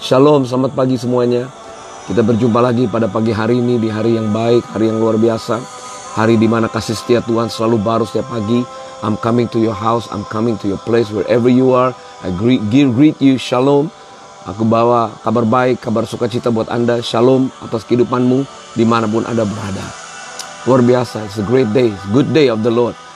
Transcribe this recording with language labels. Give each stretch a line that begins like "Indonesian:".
Indonesian: Shalom, selamat pagi semuanya. Kita berjumpa lagi pada pagi hari ini di hari yang baik, hari yang luar biasa. Hari di mana kasih setia Tuhan selalu baru setiap pagi.
English: I'm coming to your house, I'm coming to your place, wherever you are. I greet you, shalom.
Indonesian: Aku bawa kabar baik, kabar sukacita buat Anda. Shalom atas kehidupanmu dimanapun Anda berada. Luar biasa,
English: it's a great day, it's a good day of the Lord.